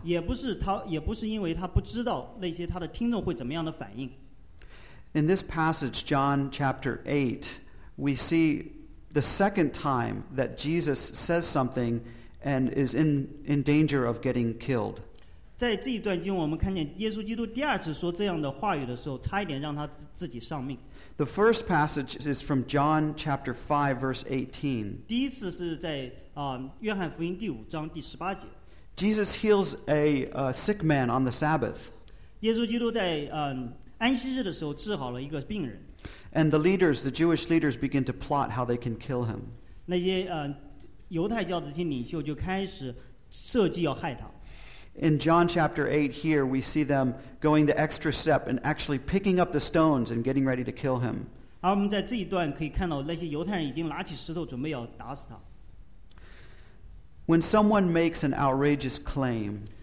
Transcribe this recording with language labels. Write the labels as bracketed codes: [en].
[zh] 也不是他, [en] in this passage, John chapter 8, we see the second time that Jesus says something and is in danger of getting killed. [zh] 在这一段经文我们看见耶稣基督第二次说这样的话语的时候，差一点让他自己丧命。 [en] The first passage is from John chapter 5, verse 18. [zh] 第一次是在, 约翰福音第五章第十八节。 [en] Jesus heals a sick man on the Sabbath. [zh] 耶稣基督在, 安息日的时候治好了一个病人。 [en] And the leaders, the Jewish leaders, begin to plot how they can kill him. [zh] 那些, 犹太教的这些领袖就开始设计要害他。 [en] In John chapter 8 here, we see them going the extra step and actually picking up the stones and getting ready to kill him. When someone makes an outrageous claim,